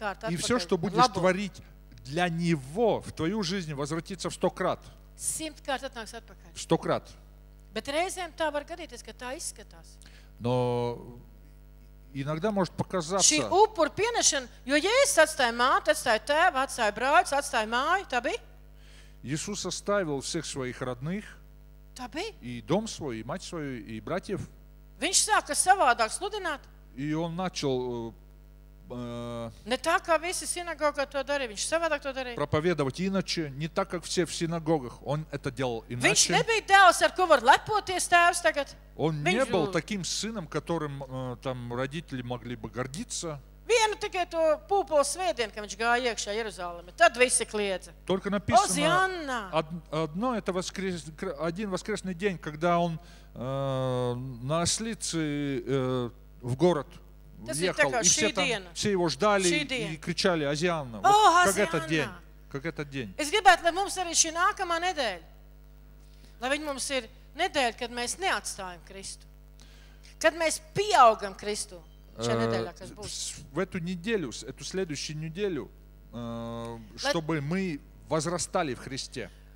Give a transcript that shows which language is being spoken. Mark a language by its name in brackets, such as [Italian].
[Russian] И все, что будешь творить, для него в твою жизнь возвратиться в сто крат. В сто крат. [Latvian] Bet reizēm tā var gadīties, ka tā izskatās. [Russian] Но иногда может показаться... [Latvian] Šī upur pienešana, jo Jēzus atstāja māti, atstāja tēvu, atstāja brāļus, atstāja māju, tā bija? Jēzus atstāja visus savus rodnus. Tā bija? [Russian] И дом свой, и мать свою, и братьев. [Latvian] Viņš sāka savādāk sludināt. [Russian] И он начал Не так, как весь синагога то дарил, он совсем то дарил. Проповедовать иначе, не так, как все в синагогах, он это делал иначе. [Latvian] Viņš nebija dēls, ar ko var lepoties tēvs tagad. [Russian] Он не был таким сыном, которым там родители могли бы гордиться. [Latvian] Vienu tikai to pūpolu svētdienu, kad viņš gāja iekšā Jeruzalemē. Tad visi kliedza. [Russian] Только написано, одно это воскрес, один воскресный день, когда он на ослице в город въехал, и все, там, все его ждали и кричали «Азианна!» О, вот, как этот день, как этот день. [Latvian] Es gribētu, lai mums arī šī nākamā nedēļa, lai viņa mums ir nedēļa, kad mēs neatstājam Kristu, kad mēs pieaugam Kristu. [Russian] В эту неделю, эту следующую неделю, чтобы мы возрастали в Христе.